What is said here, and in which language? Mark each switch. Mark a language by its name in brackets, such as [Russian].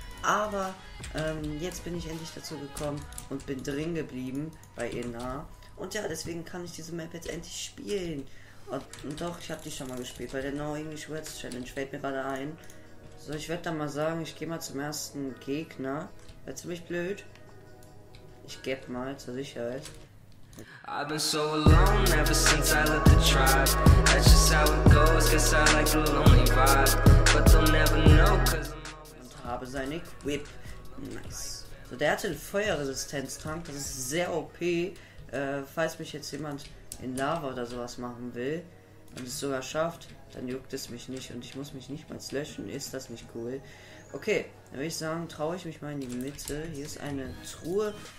[German] Aber jetzt bin ich endlich dazu gekommen und bin drin geblieben bei Inna. Und ja, deswegen kann ich diese Map jetzt endlich spielen. Und doch, ich habe die schon mal gespielt bei der No English Words Challenge, fällt mir gerade ein. So, ich werde dann mal sagen, ich gehe mal zum ersten Gegner. Wäre ziemlich blöd. Ich geb mal zur Sicherheit. [English] I've been so alone ever since I left the tribe. That's just how it goes, cause I like the lonely vibe. But they'll never know, cause I'm always. [German] Und habe seine Equip. Nice. So, der hatte einen Feuerresistenztank, das ist sehr OP. Falls mich jetzt jemand in Lava oder sowas machen will und es sogar schafft, dann juckt es mich nicht und ich muss mich nicht mal löschen. Ist das nicht cool? Okay, dann würde ich sagen, traue ich mich mal in die Mitte. Hier ist eine Truhe.